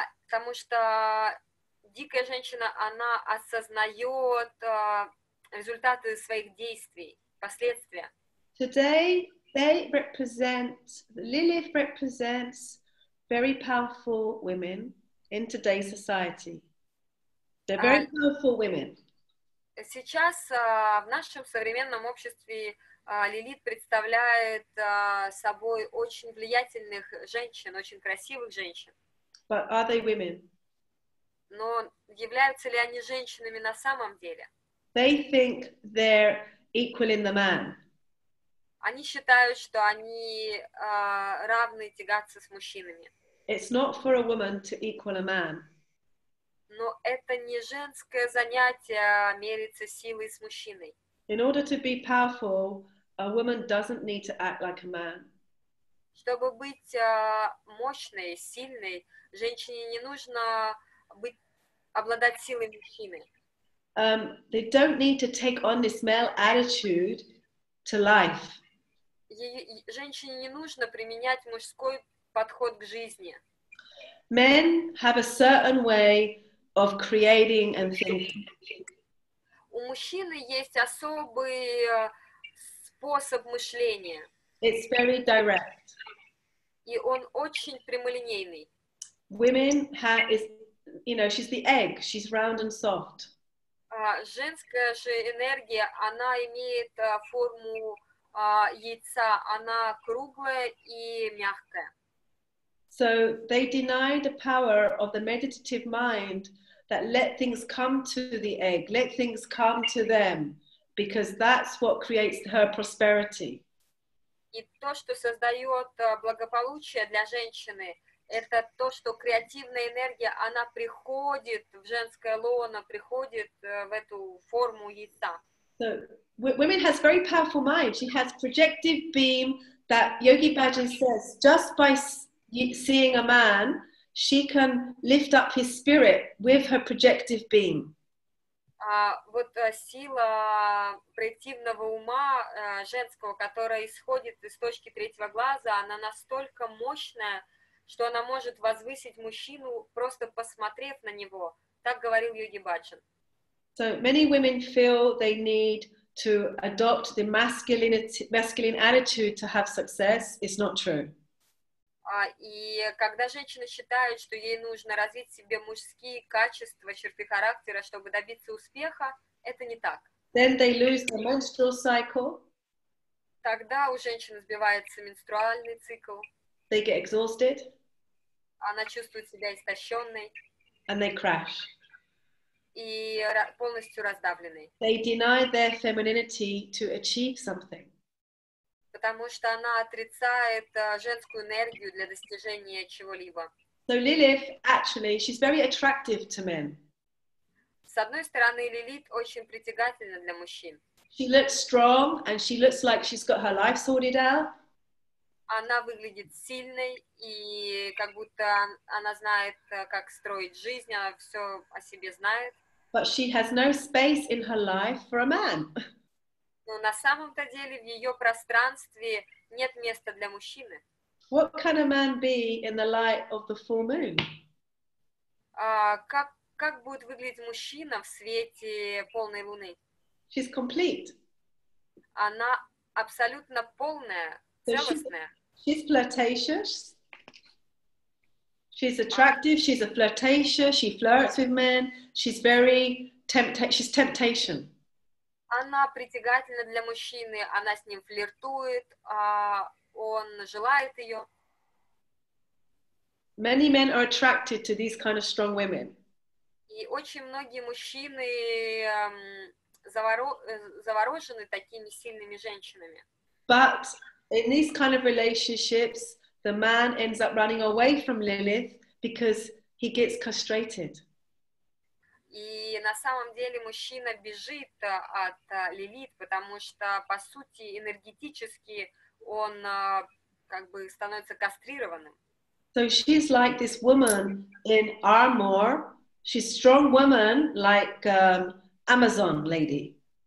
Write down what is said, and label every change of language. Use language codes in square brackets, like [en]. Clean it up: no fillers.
[ru] Потому что дикая женщина, она осознает результаты своих действий, последствия. [en] Today they represent, Lilith represents very powerful women in today's society. They're very powerful women. [ru] Сейчас в нашем современном обществе Лилит представляет собой очень влиятельных женщин, очень красивых женщин. [en] But are they women? [ru] Но являются ли они женщинами на самом деле? [en] They think they're equal in the man. [ru] Они считают, что они равны тягаться с мужчинами. [en] It's not for a woman to equal a man. [ru] Но это не женское занятие мериться силой с мужчиной. [en] In order to be powerful, a woman doesn't need to act like a man. [ru] Чтобы быть мощной, сильной, женщине не нужно обладать силой мужчины. [en] They don't need to take on this male attitude to life. [ru] Женщине не нужно применять мужской подход к жизни. [en] Men have a certain way of creating and thinking. [ru] У мужчины есть особый способ мышления. [en] It's very direct. [ru] И он очень прямолинейный. [en] Women have is, you know, she's the egg. She's round and soft. [ru] Женская же энергия, она имеет форму яйца. Она круглая и мягкая. [en] So they deny the power of the meditative mind that let things come to the egg, let things come to them, because that's what creates her prosperity. [ru] И то, что создает благополучие для женщины, это то, что креативная энергия, она приходит в женское лоно, приходит в эту форму яйца. [en] So, women has very powerful mind. She has projective beam that Yogi Bhajan says, just by seeing a man, she can lift up his spirit with her projective beam. [ru] Вот сила проективного ума женского, которая исходит из точки третьего глаза, она настолько мощная, что она может возвысить мужчину, просто посмотрев на него. Так говорил Йоги Баджан. [en] So many women feel they need to adopt the masculine attitude to have success. It's not true. [ru] И когда женщина считает, что ей нужно развить в себе мужские качества, черты характера, чтобы добиться успеха, это не так. [en] Then they lose the menstrual cycle. [ru] Тогда у женщины сбивается менструальный цикл. [en] They get exhausted. [ru] Она чувствует себя истощенной. [en] And they crash. [ru] И полностью раздавленной. [en] They deny their femininity to achieve something. [ru] Потому что она отрицает женскую энергию для достижения чего-либо. [en] So Lilith, actually, she's very attractive to men. [ru] С одной стороны, Лилит очень притягательна для мужчин. [en] She looks strong, and she looks like she's got her life sorted out. [ru] Она выглядит сильной, и как будто она знает, как строить жизнь, она все о себе знает. [en] But she has no space in her life for a man. [ru] Но на самом-то деле в ее пространстве нет места для мужчины. [en] What can a man be in the light of the full moon? [ru] Как будет выглядеть мужчина в свете полной луны? [en] She's complete. [ru] Она абсолютно полная, целостная. [en] She's flirtatious. She's attractive. She's a flirtatious. She flirts with men. She's temptation. [ru] Она притягательна для мужчины, она с ним флиртует, а он желает ее. [en] Many men are attracted to these kind of strong women. [ru] И очень многие мужчины заворожены такими сильными женщинами. [en] But in these kind of relationships, the man ends up running away from Lilith because he gets castrated. [ru] И на самом деле мужчина бежит от Лилит, потому что, по сути, энергетически он как бы становится кастрированным. [en] So she's like this woman in armor. She's a strong woman, like Amazon lady.